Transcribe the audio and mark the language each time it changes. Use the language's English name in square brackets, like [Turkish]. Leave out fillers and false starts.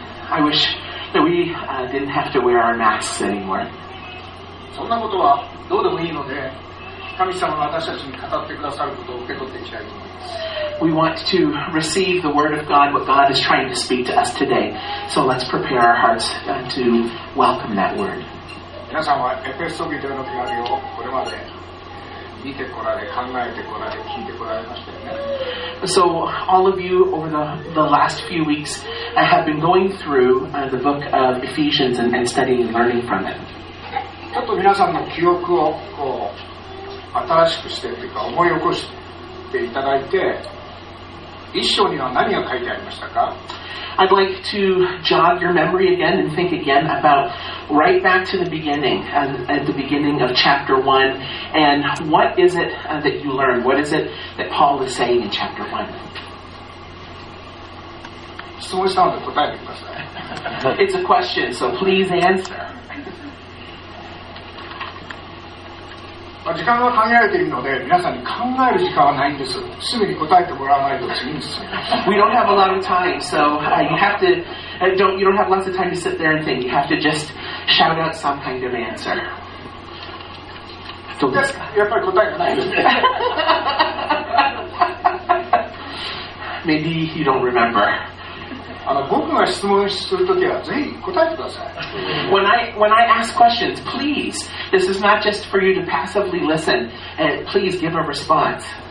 [English] I wish that we didn't have to wear our masks anymore. [Japanese] そんなことはどうでもいいので、神様が私たちに語ってくださることを受け取っていきたいと思います。 [English] We want to receive the word of God, what God is trying to speak to us today. So let's prepare our hearts to welcome that word. [Japanese] 皆さんはエペソ人への手紙をこれまで見てこられ、考えてこられ、聞いてこられましたよね。 [English] So all of you over the last few weeks have been going through the book of Ephesians and studying and learning from it. [Japanese] ちょっと皆さんの記憶をこう新しくしてというか思い起こしていただいて、一章には何が書いてありましたか? [English] I'd like to jog your memory again and think again about right back to the beginning, at the beginning of chapter 1, and what is it that you learn? What is it that Paul is saying in chapter 1? [Japanese] 質問したので答えてください。 [English] It's a question, so please answer. [Japanese] 時間が限られているので皆さんに考える時間はないんです。すぐに答えてもらわないと次に進みます。 [English] We don't have a lot of time, so you have to you don't have lots of time to sit there and think. You have to just shout out some kind of answer. [Japanese] どうですか? やっぱり答えがないですね。 [English] Maybe you don't remember. [Japanese] 僕が質問するときはぜひ答えてください。 [English] When I ask questions, please, this is not just for you to passively listen, and please give a response.